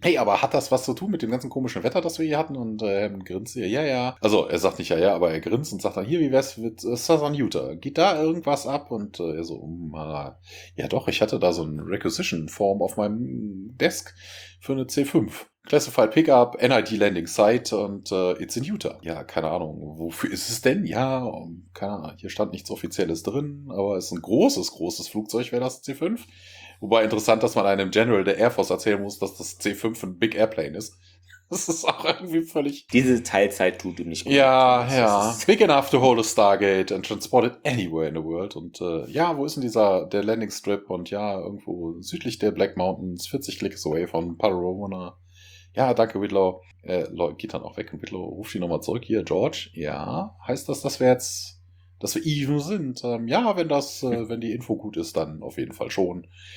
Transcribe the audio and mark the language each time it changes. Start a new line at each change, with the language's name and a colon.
German: Hey, aber hat das was zu tun mit dem ganzen komischen Wetter, das wir hier hatten? Und Hemd grinst hier, ja, ja. Also, er sagt nicht ja, ja, aber er grinst und sagt dann, hier, wie wär's mit Southern Utah? Geht da irgendwas ab? Und er so, ja doch, ich hatte da so ein Requisition-Form auf meinem Desk für eine C5.
English: Classified Pickup, NID Landing Site und it's in Utah.
German: Ja, keine Ahnung, wofür ist es denn? Ja, keine Ahnung, hier stand nichts Offizielles drin, aber es ist ein großes Flugzeug, wäre das C5. Wobei interessant, dass man einem General der Air Force erzählen muss, dass das C5 ein
English: Big Airplane
German: ist. Das ist auch irgendwie völlig... Diese Teilzeit tut ihm nicht gut. Ja, das ja.
English: Big enough to hold a Stargate and transport it anywhere in the world.
German: Und ja, wo ist denn der Landing Strip? Und ja, irgendwo südlich der Black Mountains, 40 Klicks away von Paramona. Ja, danke, Whitlow. Geht dann auch weg und Whitlow ruft ihn nochmal zurück. Hier, George, ja, heißt das, dass wir even sind? Ja, wenn die Info gut ist, dann auf jeden Fall schon.